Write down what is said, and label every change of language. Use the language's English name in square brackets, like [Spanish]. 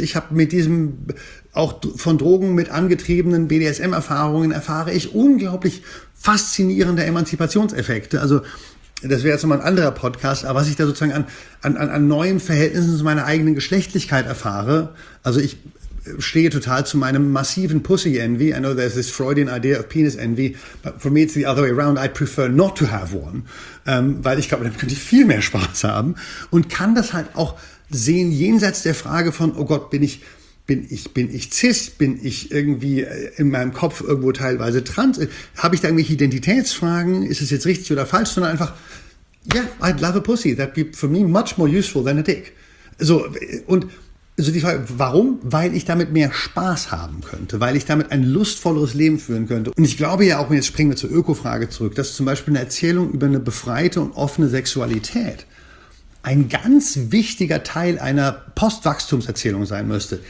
[German] Ich habe mit diesem auch von Drogen mit angetriebenen BDSM-Erfahrungen erfahre ich unglaublich faszinierende Emanzipationseffekte. Also das wäre jetzt nochmal ein anderer Podcast. Aber was ich da sozusagen an neuen Verhältnissen zu meiner eigenen Geschlechtlichkeit erfahre, also ich stehe total zu meinem massiven Pussy-Envy. [English] I know there's this Freudian idea of Penis-Envy. But for me it's the other way around. I'd prefer not to have one. [German] Weil ich glaube, damit könnte ich viel mehr Spaß haben. Und kann das halt auch sehen, jenseits der Frage von, oh Gott, Bin ich cis? Bin ich irgendwie in meinem Kopf irgendwo teilweise trans? Habe ich da irgendwelche Identitätsfragen? Ist es jetzt richtig oder falsch? Sondern einfach, [English] yeah, I'd love a pussy. That'd be for me much more useful than a dick. [German] So, und so die Frage, warum? Weil ich damit mehr Spaß haben könnte, weil ich damit ein lustvolleres Leben führen könnte. Und ich glaube ja auch, jetzt springen wir zur Öko-Frage zurück, dass zum Beispiel eine Erzählung über eine befreite und offene Sexualität ein ganz wichtiger Teil einer Postwachstumserzählung sein müsste.